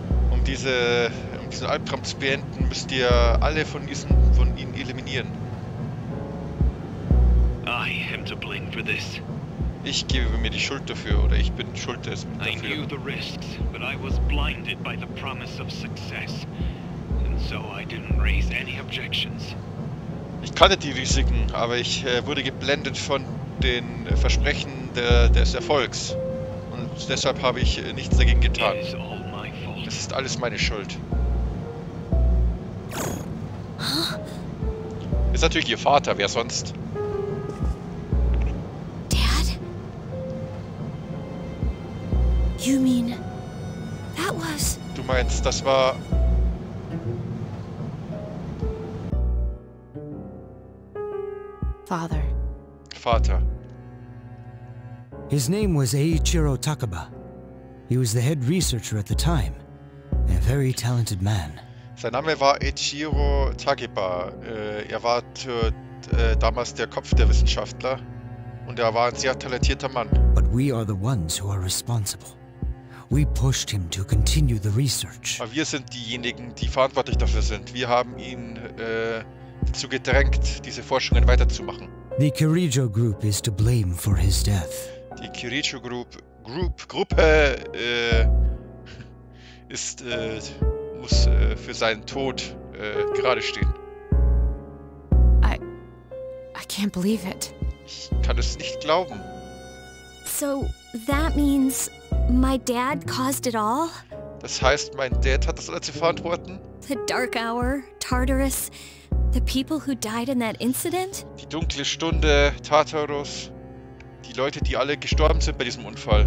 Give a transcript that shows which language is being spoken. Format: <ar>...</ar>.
<de>Um diesen Albtraum zu beenden, müsst ihr alle von ihnen eliminieren.</de> <en>I am to blame for this.</en> <de>Ich gebe mir die Schuld dafür, oder ich bin schuld dafür.</de> <en>I knew the risks, but I was blinded by the promise of success. And so I didn't raise any objections.</en> <de>Ich kannte die Risiken, aber ich wurde geblendet von den Versprechen des Erfolgs. Und deshalb habe ich nichts dagegen getan.</de> <en>It is all my fault.</en> <de>Das ist alles meine Schuld. Huh? Ist natürlich ihr Vater, wer sonst?</de> <en>You mean that was?</en> <de>Du meinst, das war.</de> <en>Father.</en> <de>Vater.</de> <en>His name was Eiichiro Takaba. He was the head researcher at the time. A very talented man.</en> <de>Sein Name war Eiichiro Takaba. Er war damals der Kopf der Wissenschaftler. Und er war ein sehr talentierter Mann.</de> <en>But we are the ones who are responsible. We pushed him to continue the research.</en> <de>Aber wir sind diejenigen, die verantwortlich dafür sind. Wir haben ihn dazu gedrängt, diese Forschungen weiterzumachen.</de> <en>The Kirijo Group is to blame for his death.</en> <de>Die Kirijo Gruppe muss für seinen Tod gerade stehen.</de> <en>I can't believe it.</en> <de>Ich kann es nicht glauben.</de> <en>So that means my dad caused it all?</en> <de>Das heißt, mein Dad hat das alles zu verantworten?</de> <en>The dark hour, Tartarus, the people who died in that incident?</en> <de>Die dunkle Stunde, Tartarus, die Leute, die alle gestorben sind bei diesem Unfall.</de>